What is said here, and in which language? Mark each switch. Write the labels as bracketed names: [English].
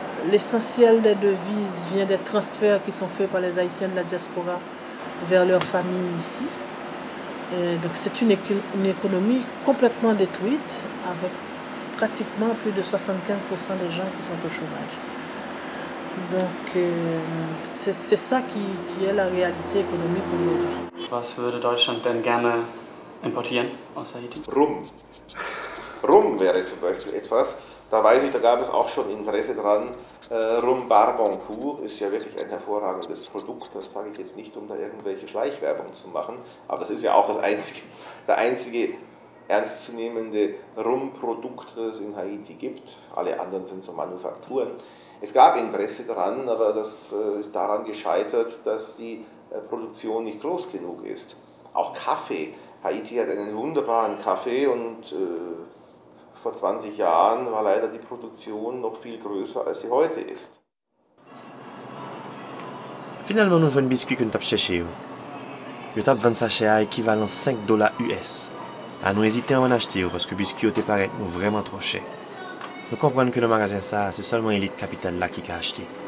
[French] L'essentiel des devises vient des transferts qui sont faits par les haïtiens de la diaspora vers leurs familles ici. Donc c'est une économie complètement détruite avec pratiquement plus de 75% des gens qui sont au chômage. Donc c'est ça qui est la réalité économique aujourd'hui. [German] Was würde Deutschland denn gerne importieren aus Haiti? Rum. Rum wäre zum Beispiel etwas. Da weiß ich, da gab es auch schon Interesse dran. Rum Barbancourt ist ja wirklich ein hervorragendes Produkt. Das sage ich jetzt nicht, um da irgendwelche Schleichwerbung zu machen. Aber das ist ja auch der einzige ernstzunehmende Rumprodukt, das es in Haiti gibt. Alle anderen sind so Manufakturen. Es gab Interesse daran, aber das ist daran gescheitert, dass die Produktion nicht groß genug ist. Auch Kaffee. Haiti hat einen wunderbaren Kaffee und vor 20 Jahren war leider die Produktion noch viel größer, als sie heute ist. [French] Finalement, nous avons un biscuit que nous avons cherché. Nous avons 20 sachets à équivalent $5. Ah, nous hésitons à en acheter parce que le biscuit paraît vraiment trop cher. Nous comprenons que le magasin ça, c'est seulement l'élite capitale là qui a acheté.